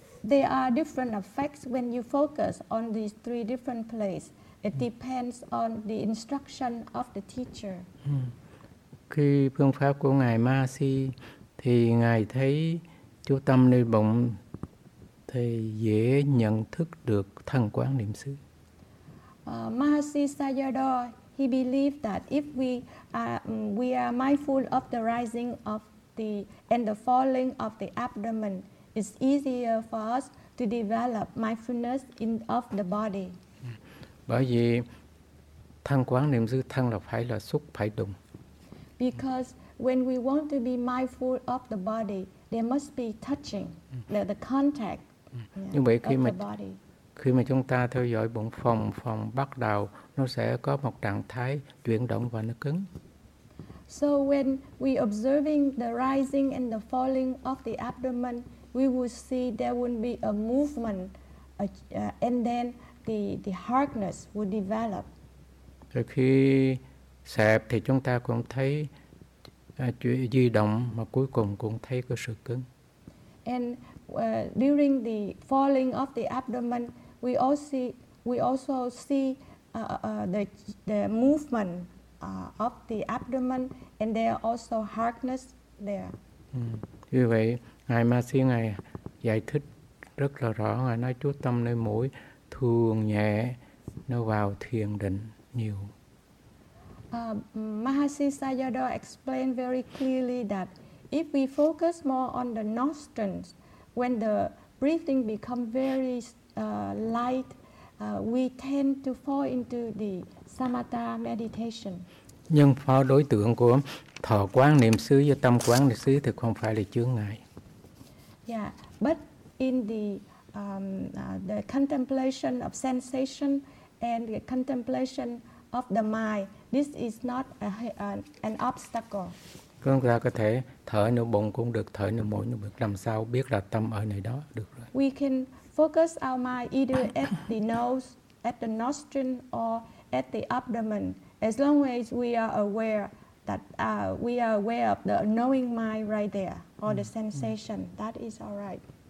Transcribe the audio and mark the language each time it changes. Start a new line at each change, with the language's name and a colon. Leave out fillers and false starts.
English: There are different effects when you focus on these three different places. It depends on the instruction of the teacher.
Vietnamese: Khi phương pháp của Ngài Mahasi, thì Ngài thấy chú tâm nơi bụng thì dễ nhận thức được thân quán niệm xứ.
English: Mahasi Sayadaw, he believed that if we are mindful of the rising of the and the falling of the abdomen, it's easier for us to develop mindfulness in of the body.
Vietnamese: Bởi vì thân quán niệm xứ, thân là phải là xúc, phải đụng.
English: Because when we want to be mindful of the body, there must be touching, the contact.
Vietnamese: Như vậy khi mà chúng ta theo dõi bụng phòng bắt đầu, nó sẽ có một trạng thái chuyển động và nó cứng.
English: So when we observing the rising and the falling of the abdomen, we will see there will be a movement, and then the hardness will develop.
Vietnamese: Rồi khi xẹp thì chúng ta cũng thấy di động, mà cuối cùng cũng thấy có sự cứng.
English: And during the falling of the abdomen, we also see the movement of the abdomen, and there are also hardness there.
Vietnamese: Như vậy, Ngài Ma Si Ngài giải thích rất là rõ. Ngài nói chú tâm nơi mũi thường nhẹ, nó vào thiền định nhiều.
English: Mahasi Sayadaw explained very clearly that if we focus more on the nostrils, when the breathing become very light, we tend to fall into the samatha meditation.
Vietnamese: Nhưng pho đối tượng của thọ quán niệm xứ và tâm quán niệm xứ thì không phải là chướng ngại.
English: Yeah, but in the contemplation of sensation and the contemplation of the mind, this is not an obstacle.
Vietnamese: Chúng ta có thể Thở nơi bụng cũng được, thở nơi mũi cũng được. Làm sao biết là tâm ở nơi đó được rồi?
English: We can focus our mind either at the nose, at the nostril, or at the abdomen. As long as we are aware that we are aware of the knowing mind right there or the sensation, that is all right.